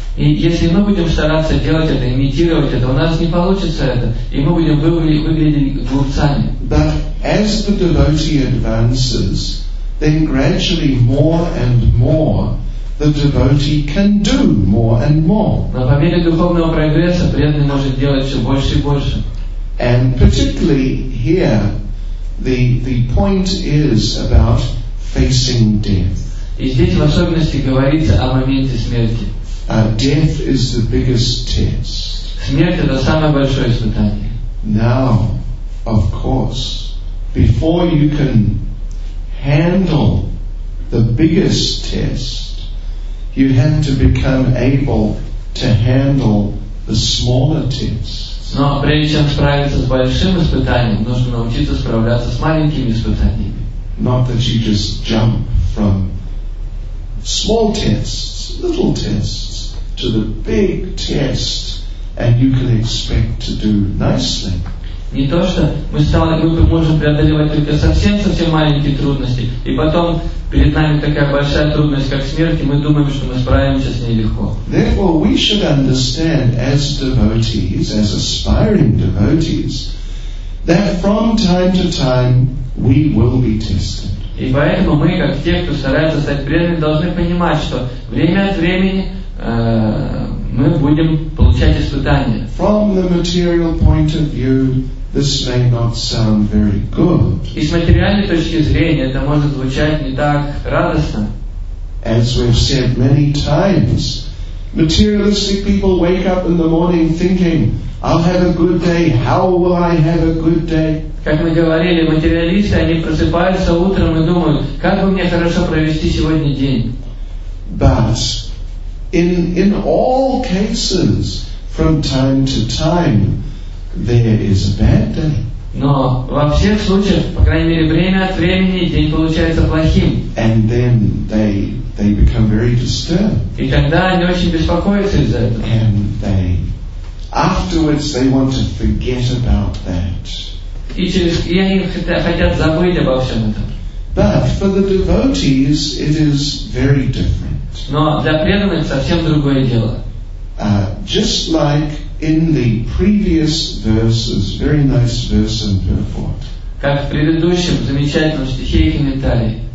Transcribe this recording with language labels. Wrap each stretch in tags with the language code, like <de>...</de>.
<ru>И если мы будем стараться делать это, имитировать это, у нас не получится это, и мы будем выглядеть глупцами.</ru> <en>But as the devotee advances, then gradually more and more the devotee can do more and more.</en> <ru>Но по мере духовного прогресса преданный может делать все больше и больше.</ru> <en>And particularly here, the point is about facing death.</en> <ru>И здесь в особенности говорится о моменте смерти.</ru> <en>Death is the biggest test.</en> <ru>Смерть это самое большое испытание.</ru> <en>Now, of course, before you can handle the biggest test, you have to become able to handle the smaller tests.</en> <ru>Но прежде чем справиться с большим испытанием, нужно научиться справляться с маленькими испытаниями.</ru> <en>Not that you just jump from small tests, little tests, to the big test, and you can expect to do nicely.</en> <ru>Не то, что мы стали группы, можем преодолевать только совсем-совсем маленькие трудности, и потом перед нами такая большая трудность, как смерть, и мы думаем, что мы справимся с ней легко.</ru> <en>Therefore, we should understand as devotees, as aspiring devotees, that from time to time we will be tested.</en> <ru>И поэтому мы, как те, кто старается стать преданными, должны понимать, что время от времени мы будем получать испытания.</ru> <en>From the material point of view, this may not sound very good.</en> <ru>И с материальной точки зрения это может звучать не так радостно.</ru> <en>As we've said many times, materialistic people wake up in the morning thinking, I'll have a good day, how will I have a good day?</en> <ru>Как мы говорили, материалисты, они просыпаются утром и думают, как бы мне хорошо провести сегодня день.</ru> <en>But in all cases, from time to time, there is a bad day.</en> <ru>Но во всех случаях, по крайней мере, время от времени день получается плохим.</ru> <en>And then they become very disturbed.</en> <ru>И тогда они очень беспокоятся из-за этого.</ru> <en>And they afterwards they want to forget about that.</en> <ru>И они хотят забыть обо всем этом.</ru> <en>But for the devotees, it is very different.</en> <ru>Но для преданных совсем другое дело.</ru> <en>Just like in the previous verses, very nice verse in Purport.</en> <ru>Как в предыдущем замечательном стихе и комментарии.</ru>